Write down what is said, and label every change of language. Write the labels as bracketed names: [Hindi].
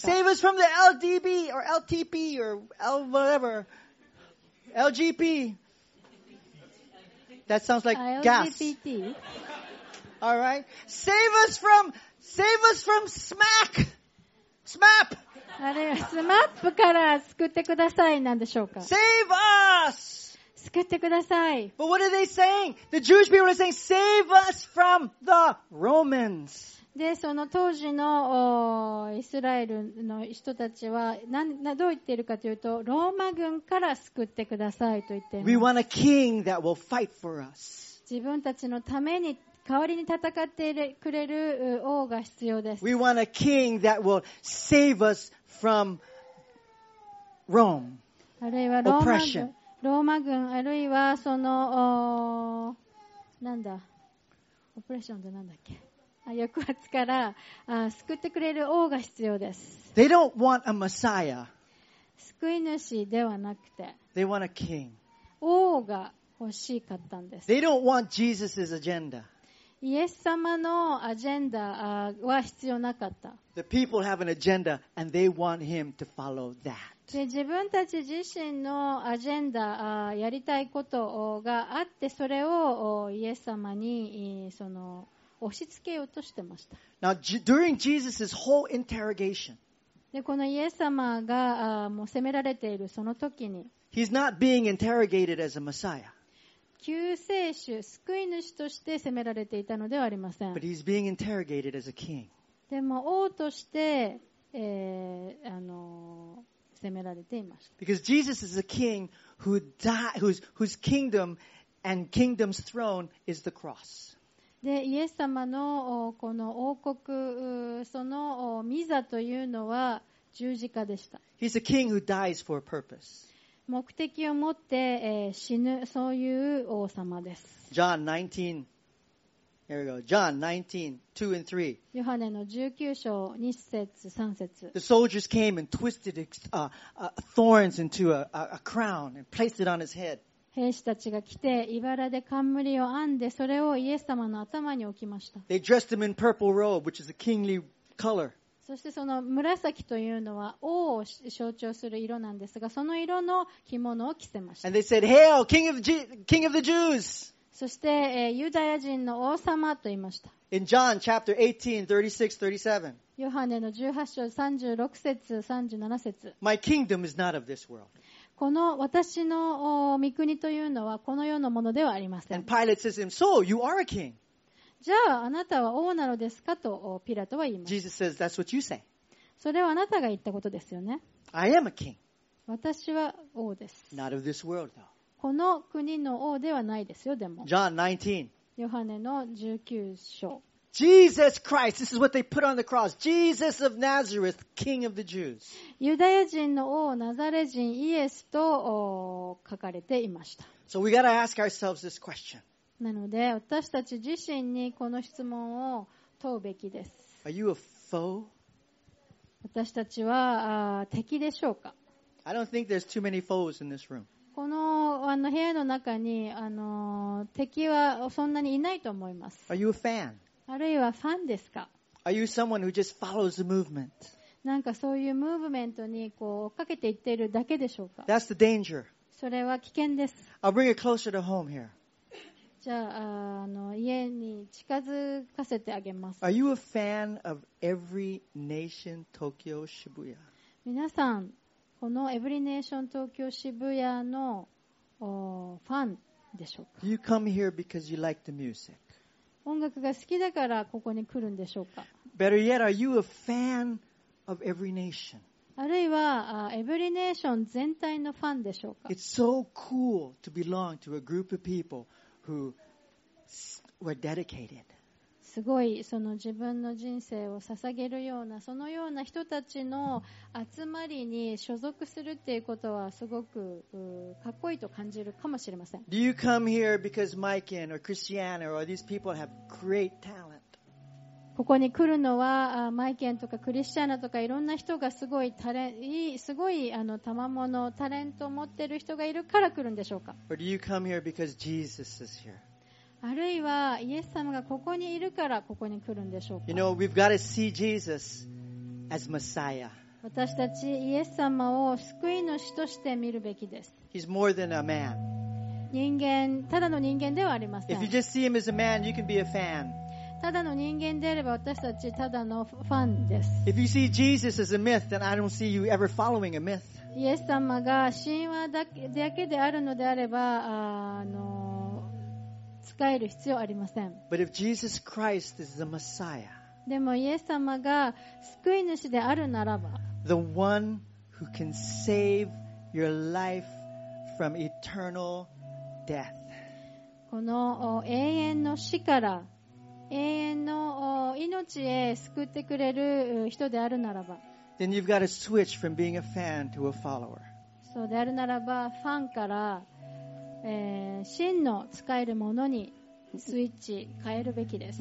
[English] Save us from the LDB or LTP or L whatever LGP. That sounds like gas. LGBT. All right. Save us from SMAC. SMAP. [Japanese] あれは SMAP から救ってくださいなんでしょうか。 [English] Save us. [Japanese] 救ってください。 [English] But what are they saying? The Jewish people are saying, "Save us from the Romans." [Japanese] で、その当時のイスラエルの人たちはどう言っているかというと、ローマ軍から救ってくださいと言っています [English] We want a king that will fight for us. [Japanese] 自分たちのために代わりに戦ってくれる王が必要です。 [English] We want a king that will save us from Rome. [Japanese] あるいはローマ軍、ローマ軍、あるいはそのなんだ、オプレッションってなんだっけ、抑圧から救ってくれる王が必要です。 [English] They don't want a Messiah. [Japanese] 救い主ではなくて、 [English] They want a king. [Japanese] 王が欲しかったんです。 [English] They don't want Jesus's agenda. [Japanese] イエス様のアジェンダは必要なかった。 [English] The people have an agenda and they want him to follow that. [Japanese] で、自分たち自身のアジェンダ、やりたいことがあって、それをイエス様にその押し付けようとしてました。 [English] Now, during Jesus' whole interrogation, [Japanese] で、このイエス様がもう責められているその時に、 [English] He's not being interrogated as a Messiah. [Japanese] 救世主、救い主として責められていたのではありません。 [English] But he's being interrogated as a king. [Japanese] でも王として、責められていました。 [English] Because Jesus is a king who died, whose kingdom and kingdom's throne is the cross. [Japanese] で、イエス様のこの王国、その御座というのは十字架でした。 [English] He's a king who dies for a purpose. [Japanese] 目的を持って死ぬそういう王様です。 [English] John 19, here we go. John 19:2-3. [Japanese] ヨハネの19章2節3節。 [English] The soldiers came and twisted thorns into a crown and placed it on his head. [Japanese] 兵士たちが来て茨で冠を編んでそれをイエス様の頭に置きました。 [English] They dressed him in purple robe, which is a kingly color. [Japanese] そしてその紫というのは王を象徴する色なんですが、その色の着物を着せました。 [English] And they said, Hail, King of the Jews! [Japanese] そして、ユダヤ人の王様と言いました。 [English] In John chapter 18:36-37, [Japanese] ヨハネの18章36節37節。 [English] My kingdom is not of this world. [Japanese] この私の御国というのはこの世のものではありません。 [English] And Pilate says to him, So, you are a king. [Japanese] じゃああなたは王なのですかとピラトは言います。 [English] Jesus says, That's what you say. [Japanese] それはあなたが言ったことですよね。 [English] I am a king. [Japanese] 私は王です。 [English] Not of this world, though. [Japanese] この国の王ではないですよ、でも。 [English] John 19. [Japanese] ヨハネの19章。 [English] Jesus Christ, this is what they put on the cross. Jesus of Nazareth, King of the Jews. [Japanese] ユダヤ人の王、ナザレ人イエスと書かれていました。 [English] So we gotta ask ourselves this question. [Japanese] なので、私たち自身にこの質問を問うべきです。 [English] Are you a foe? [Japanese] 私たちは敵でしょうか? [English] I don't think there's too many foes in this room. [Japanese] この、 あの部屋の中に敵はそんなにいないと思います。 [English] Are you a fan? [Japanese] あるいはファンですか? [English] Are you someone who just follows the movement? [Japanese] なんかそういうムーブメントにこう追っかけていっているだけでしょうか? [English] That's the danger. [Japanese] それは危険です。 [English] I'll bring it closer to home here. [Japanese] じゃあ、 家に近づかせてあげます。 [English] Are you a fan of every nation Tokyo Shibuya? [Japanese] 皆さん、このエブリネーション東京渋谷のファンでしょうか? [English] You come here because you like the music. [Japanese] 音楽が好きだからここに来るんでしょうか? [English] Better yet, are you a fan of every nation? [Japanese] あるいはエブリネーション全体のファンでしょうか? [English] It's so cool to belong to a group of people who were dedicated. [Japanese] すごいその自分の人生を捧げるようなそのような人たちの集まりに所属するっていうことはすごくかっこいいと感じるかもしれません。 [English] Do you come here because Mike and or Christiana or these people have great talent? [Japanese] ここに来るのはマイケンとかクリスチャナとかいろんな人がすごいタレいいすごいあの賜物タレントを持ってる人がいるから来るんでしょうか。 [English] Or do you come here because Jesus is here? [Japanese] あるいはイエス様がここにいるからここに来るんでしょうか? [English] You know, we've got to see Jesus as Messiah. [Japanese] 私たちイエス様を救い主として見るべきです。 [English] He's more than a man. [Japanese] 人間、ただの人間ではありません。 [English] If you just see him as a man, you can be a fan. [Japanese] ただの人間であれば私たちただのファンです。 [English] If you see Jesus as a myth, then I don't see you ever following a myth. [Japanese] イエス様が神話だけであるのであれば、使える必要ありません。 [English] But if Jesus Christ is the Messiah, [Japanese] でもイエス様が救い主であるならば、 [English] the one who can save your life from eternal death. [Japanese] この永遠の死から永遠の命へ救ってくれる人であるならば、 [English] then you've got to switch from being a fan to a follower. [Japanese] そうであるならば、ファンから真の使えるものにスイッチ変えるべきです。